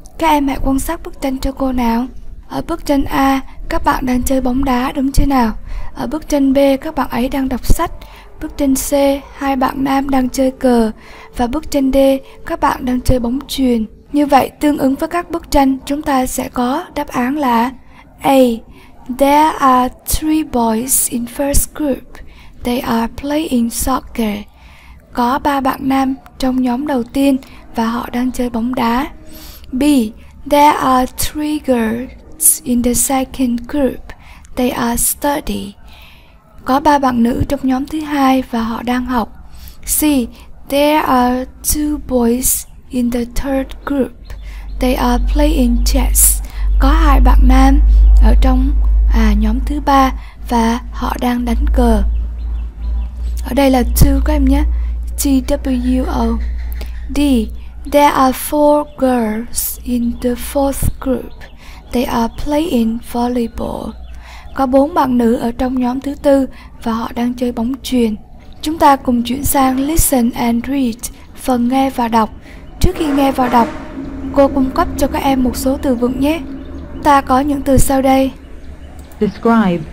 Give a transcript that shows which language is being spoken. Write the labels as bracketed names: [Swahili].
[Vietnamese] Các em hãy quan sát bức tranh cho cô nào. Ở bức tranh A, các bạn đang chơi bóng đá đúng chưa nào? Ở bức tranh B, các bạn ấy đang đọc sách. Bức tranh C, hai bạn nam đang chơi cờ. Và bức tranh D, các bạn đang chơi bóng chuyền. Như vậy, tương ứng với các bức tranh, chúng ta sẽ có đáp án là A. [English] There are three boys in first group. They are playing soccer. [Vietnamese] Có ba bạn nam trong nhóm đầu tiên và họ đang chơi bóng đá. B. [English] There are three girls in the second group. They are studying. [Vietnamese] Có ba bạn nữ trong nhóm thứ hai và họ đang học. C. [English] There are two boys in the third group. They are playing chess. [Vietnamese] Có hai bạn nam ở trong nhóm thứ ba và họ đang đánh cờ. Ở đây là two các em nhé. T-W-O. D. [English] There are four girls in the fourth group. They are playing volleyball. [Vietnamese] Có bốn bạn nữ ở trong nhóm thứ tư và họ đang chơi bóng chuyền. Chúng ta cùng chuyển sang [English] Listen and Read, [Vietnamese] phần nghe và đọc. Trước khi nghe và đọc, cô cung cấp cho các em một số từ vựng nhé. Ta có những từ sau đây. [English] Describe.